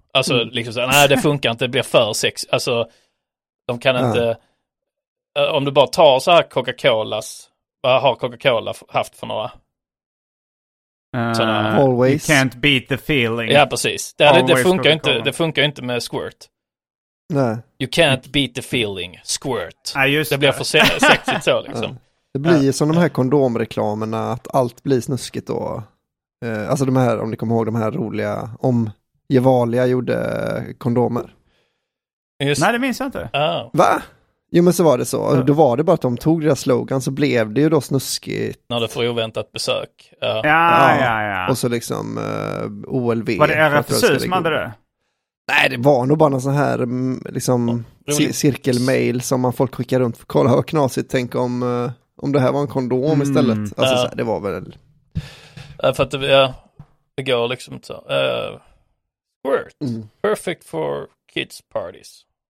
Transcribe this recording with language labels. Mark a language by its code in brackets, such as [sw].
[sv] Alltså liksom så, nej, det funkar inte, det blir för sex. Alltså, de kan inte... Om du bara tar så här Coca-Colas, vad har Coca-Cola haft för några? [en] Always. You can't beat the feeling. [sv] Ja, precis. Det funkar inte, det funkar inte med squirt. Nej. [en] You can't beat the feeling, squirt. [sv] Nej, just det. Blir för sexigt så, liksom. Det blir som de här kondomreklamerna, att allt blir snuskigt då. Alltså de här, om ni kommer ihåg, de här roliga om... Gevalia gjorde kondomer. Just... Nej, det minns jag inte. Oh. Va? Jo, men så var det så. Mm. Då var det bara att de tog deras slogan så blev det ju då snuskigt. När du får oväntat besök. Ja. Och så liksom OLV. Var det RFSU som hade det? Nej, det var nog bara en sån här liksom cirkelmail som man folk skickar runt för att kolla hur knasigt. Tänk om det här var en kondom istället. Alltså, så här, det var väl... För att det går liksom så... Squirt. Mm. [en] Perfect for kids parties.